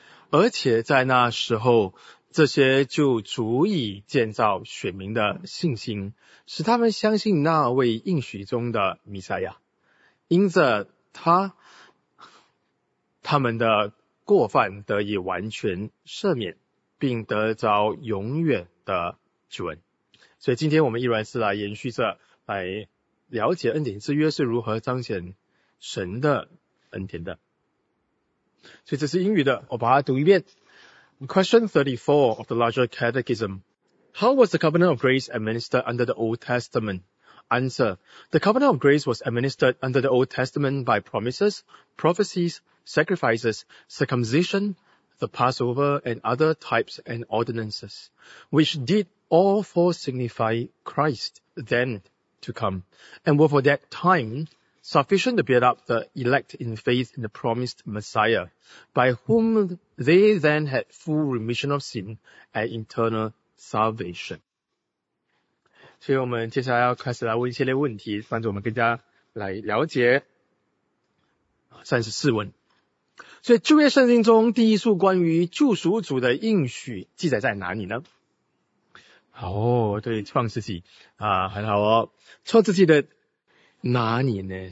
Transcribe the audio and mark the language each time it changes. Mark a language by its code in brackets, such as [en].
[zh] 而且在那时候这些就足以建造选民的信心，使他们相信那位应许中的弥赛亚，因着他们的过犯得以完全赦免，并得着永远的救恩。所以今天我们依然是来延续着来了解恩典之约是如何彰显神的恩典的。所以这是英语的，我把它读一遍。 [en] Question 34 of the larger catechism: How was the covenant of grace administered under the Old Testament? Answer: The covenant of grace was administered under the Old Testament by promises, prophecies, sacrifices, circumcision, the Passover, and other types and ordinances, which did all for signify Christ then to come, and were for that time sufficient to build up the elect in faith in the promised Messiah, by whom they then had full remission of sin and eternal salvation. [zh] 所以我们接下来要开始来问一系列问题，帮助我们更加来了解34问。所以旧约圣经中第一处关于救赎主的应许记载在哪里呢？对，创世纪很好哦。创世纪的哪里呢？